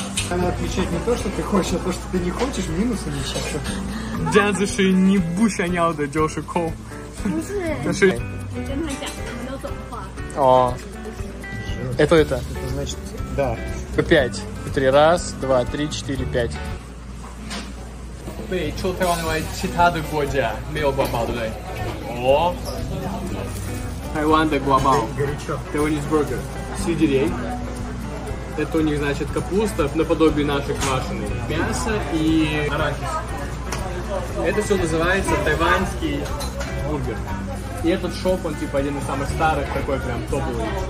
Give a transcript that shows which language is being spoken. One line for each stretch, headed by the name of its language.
Russian: Надо отвечать не то, что ты хочешь, а то, что ты не хочешь, минусы не часто. Дядя, что я не буду нял до джоши кол. Слушай, я не хочу. О, это? Это значит, да. По пять. Три, раз, два, три, четыре, пять.
Chinese: 对，除台湾以外，其他的国家没有瓜包，对不对？哦，台湾的瓜包
English: ，Taiwanese burger，
Russian: 西吉列，это у них значит капуста наподобие нашей квашеной, мясо и арахис. Это все называется тайваньский бургер. И этот шоп, он типа один из самых старых, такой прям топовый.